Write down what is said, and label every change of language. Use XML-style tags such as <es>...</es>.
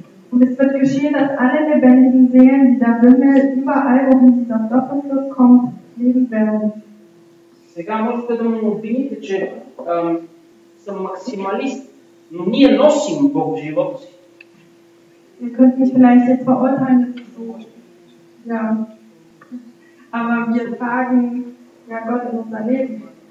<de>Und es wird geschehen, dass alle lebendigen Seelen, die da wimmeln, überall, wohin sie dann doch und dort kommt, leben werden.</de> <bg>Сега можете да ме обвините, че съм максималист, но ние носим Бог в живота си.</bg> <de>Ihr könnt mich vielleicht jetzt verurteilen, das ist so. Ja. Aber wir tragen ja Gott in unser Leben.</de>